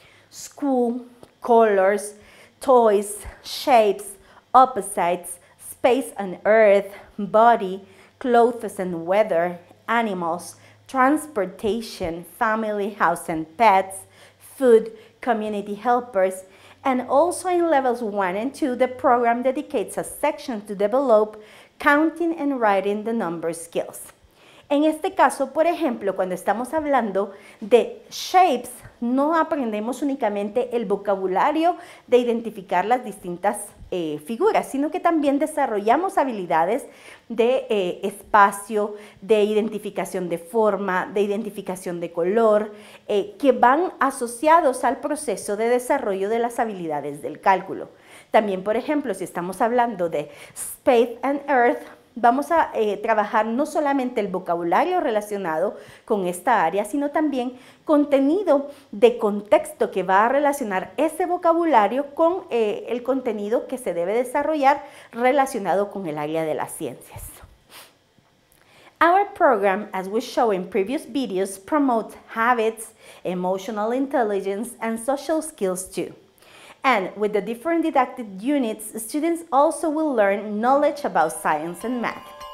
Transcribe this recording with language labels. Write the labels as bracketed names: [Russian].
[English] School, colors, toys, shapes, opposites, space and earth, body, clothes and weather, animals, transportation, family, house and pets, food, community helpers, and also in levels 1 and 2, the program dedicates a section to develop counting and writing the number skills. [Spanish] En este caso, por ejemplo, cuando estamos hablando de shapes, no aprendemos únicamente el vocabulario de identificar las distintas figuras, sino que también desarrollamos habilidades de espacio, de identificación de forma, de identificación de color, que van asociados al proceso de desarrollo de las habilidades del cálculo. También, por ejemplo, si estamos hablando de space and earth, vamos a trabajar no solamente el vocabulario relacionado con esta área, sino también contenido de contexto que va a relacionar ese vocabulario con el contenido que se debe desarrollar relacionado con el área de las ciencias. [English] Our program, as we show in previous videos, promotes habits, emotional intelligence, and social skills too. And with the different didactic units, students also will learn knowledge about science and math.